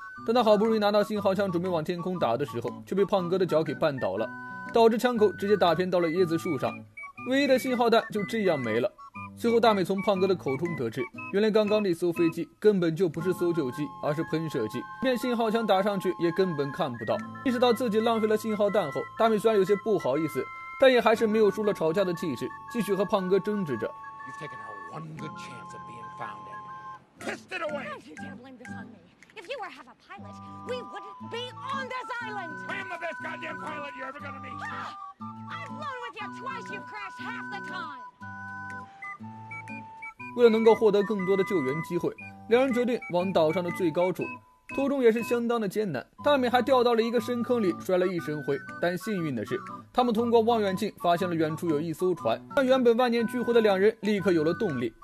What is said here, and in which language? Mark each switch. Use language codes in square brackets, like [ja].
[zh] 但他好不容易拿到信号枪准备往天空打的时候，却被胖哥的脚给绊倒了，导致枪口直接打偏到了椰子树上，唯一的信号弹就这样没了。随后大美从胖哥的口中得知，原来刚刚那艘飞机根本就不是搜救机，而是喷射机，一面信号枪打上去也根本看不到。意识到自己浪费了信号弹后，大美虽然有些不好意思，但也还是没有输了吵架的气势，继续和胖哥争执着。 [en] You've taken a one good chance of being found and pissed it away. How did you dare blame this on me? If you were half a pilot, we wouldn't be on this island. I am the best goddamn pilot you're ever gonna meet. I've flown with you twice. You've crashed half the time. [zh] 为了能够获得更多的救援机会，两人决定往岛上的最高处。途中也是相当的艰难，大美还掉到了一个深坑里，摔了一身灰。但幸运的是，他们通过望远镜发现了远处有一艘船，让原本万念俱灰的两人立刻有了动力。